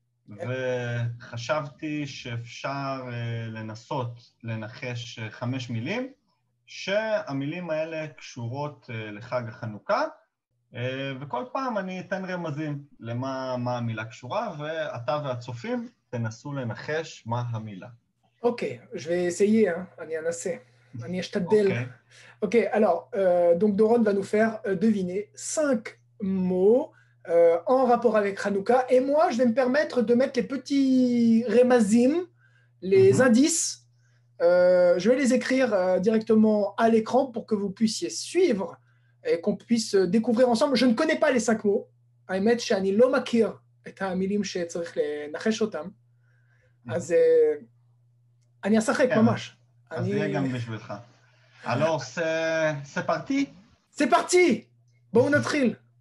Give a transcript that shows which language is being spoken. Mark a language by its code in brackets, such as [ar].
[he] וחשבתי שאפשר לנסות לנחש חמש מילים, שהמילים האלה קשורות לחג החנוכה, וכל פעם אני אתן רמזים למה המילה קשורה, ואתה והצופים תנסו לנחש מה המילה. אוקיי, ושיהיה, אני אנסה, אני אשתדל. [fr] אוקיי, donc Doron va nous faire deviner cinq mots en rapport avec Hanouka, et moi je vais me permettre de mettre les petits remazim, les indices, je vais les écrire directement à l'écran pour que vous puissiez suivre et qu'on puisse découvrir ensemble. Je ne connais pas les cinq mots, [he] האמת שאני לא מכיר את המילים שצריך לנחש אותם, אז אני אשחק ממש. אז זה יהיה גם בשבילך. [fr] Alors, c'est parti? C'est parti! [he] בואו נתחיל.